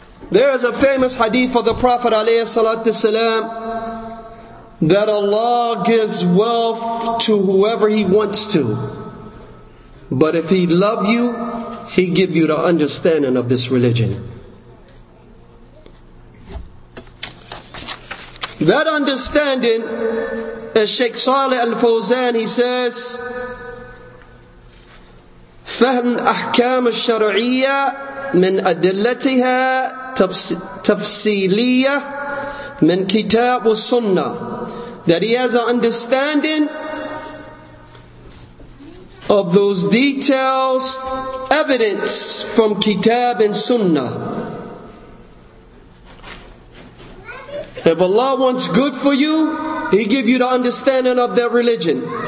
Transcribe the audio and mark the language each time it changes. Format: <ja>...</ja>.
<en>There is a famous hadith of the Prophet alayhi salatu salam that Allah gives wealth to whoever he wants to. But if he love you, he give you the understanding of this religion. That understanding, as Sheikh Saleh Al-Fawzan, he says,</en> <ar>فهم أحكام الشرعية من أدلتها تفصيلية من كتاب السنة.</ar> <en>That he has an understanding of those details, evidence from Kitab and Sunnah. If Allah wants good for you, He give you the understanding of their religion.</en>